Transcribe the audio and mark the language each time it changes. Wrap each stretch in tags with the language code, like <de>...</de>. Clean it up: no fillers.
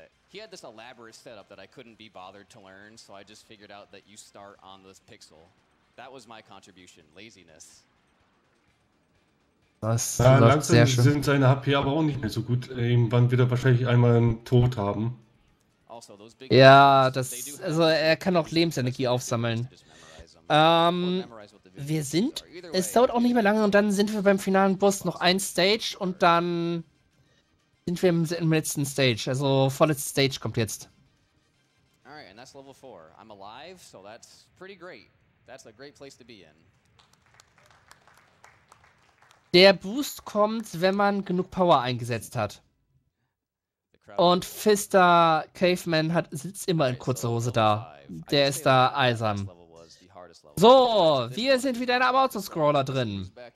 <en>He had this elaborate setup that I couldn't be bothered to learn, so I just figured out that you start on this pixel. That was my contribution, laziness.</en> <de>Das ja, läuft langsam sehr schön. Sind seine HP aber auch nicht mehr so gut. Irgendwann wird er wahrscheinlich einmal einen Tod haben. Also,</de> <en>those big</en> <de>ja, das, also er kann auch Lebensenergie aufsammeln. Wir sind, es dauert auch nicht mehr lange und dann sind wir beim finalen Boss noch ein Stage und dann sind wir im letzten Stage, also vorletzte Stage kommt jetzt.</de> <en>Alright, and that's level 4. I'm alive, so that's pretty great. That's a great place to be in.</en> <de>Der Boost kommt, wenn man genug Power eingesetzt hat. Und Fister Caveman hat, sitzt immer in kurzer Hose da. Der ist da eisern. So, wir sind wieder in einem Autoscroller drin.</de>